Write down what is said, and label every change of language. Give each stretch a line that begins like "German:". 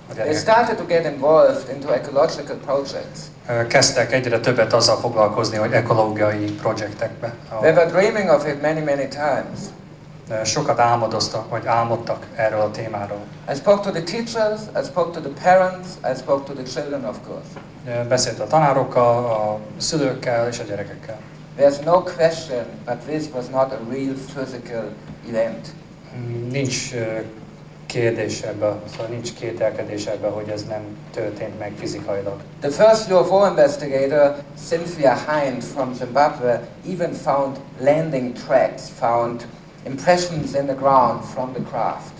English: They started to get involved into ecological projects.
Hungarian: Kezdtek egyre többet azzal foglalkozni, hogy ekológiai projektekbe.
English: They were dreaming of it many, many times.
Hungarian: Sokat álmodoztak, vagy álmodtak erről a témáról.
English: I spoke to the teachers, I spoke to the parents, I spoke to the children, of course.
Hungarian: Beszélt a tanárokkal, a szülőkkel és a gyerekekkel.
English: There's no question, but this was not a real physical event.
Hungarian: Nincs kérdés ebbe, szóval nincs kételkedés ebbe, hogy ez nem történt meg fizikailag.
English: The first UFO investigator, Cynthia Hind from Zimbabwe, even found landing tracks, found impressions in the ground from the craft.